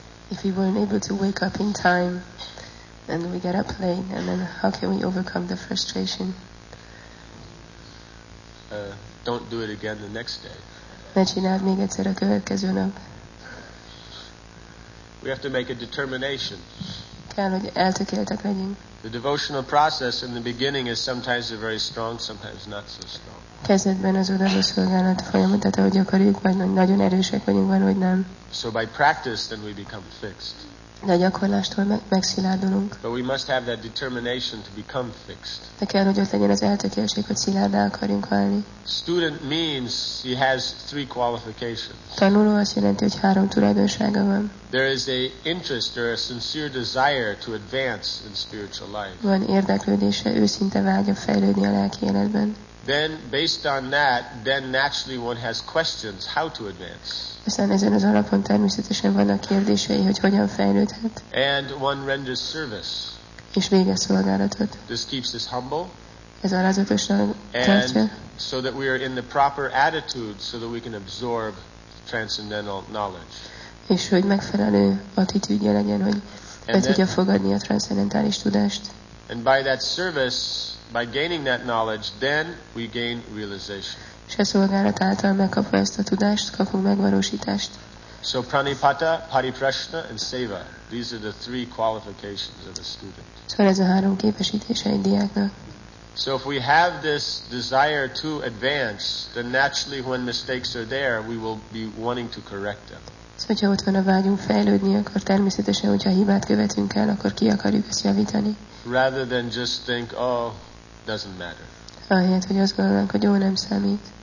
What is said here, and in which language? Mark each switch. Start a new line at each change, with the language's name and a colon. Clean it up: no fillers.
English: If we weren't able to wake up in time, and we get up late, and then how can we overcome the frustration? Don't do it again the next day.
Hungarian: Ne csináld még egyszer a következő nap.
English: We have to make a determination.
Hungarian: Kell, hogy eltökéltek legyünk.
English: The devotional process in the beginning is sometimes very strong, sometimes not so strong.
Hungarian: Kezdetben az odaadó szolgálat folyamat, tehát ahogy akarjuk, vagy nagyon erősek vagyunk, van, vagy nem.
English: So by practice, then we become fixed.
Hungarian: De a gyakorlástól megszilárdulunk.
English: But we must have that determination to become fixed.
Hungarian: De kell, hogy ott legyen az eltökélség, hogy szilárdá akarjunk válni.
English: Student means he has three qualifications.
Hungarian: Tanuló azt jelenti, hogy három tulajdonsága van.
English: There is a interest or a sincere desire to advance in spiritual life.
Hungarian: Van érdeklődése, őszinte vágya fejlődni a lelki életben.
English: Then, based on that, then naturally one has questions how to advance.
Hungarian: Aztán ezen az alapon természetesen vannak kérdései, hogy hogyan fejlődhet.
English: And one renders service.
Hungarian: És végez szolgálatot.
English: This keeps us humble.
Hungarian: Ez alázatosan tartja.
English: So that we are in the proper attitude so that we can absorb transcendental knowledge.
Hungarian: És hogy megfelelő attitűdje legyen, hogy be tudja fogadni a transzcendentális tudást.
English: And by that service, by gaining that knowledge, then we gain realization.
Hungarian: És a szolgálat által megkapva ezt a tudást, kapunk megvalósítást.
English: So pranipata, pariprasna, and seva. These are the three qualifications of a student.
Hungarian: Szóval ez a három képesítése egy diáknak.
English: So if we have this desire to advance, then naturally when mistakes are there, we will be wanting to correct them.
Hungarian: Szóval, hogyha ott van a vágyunk fejlődni, akkor természetesen, hogyha hibát követünk el, akkor ki akarjuk ezt javítani.
English: Rather than just think, oh, doesn't matter.
Hungarian: Ahelyett, hogy azt gondolnánk, hogy jó, nem számít.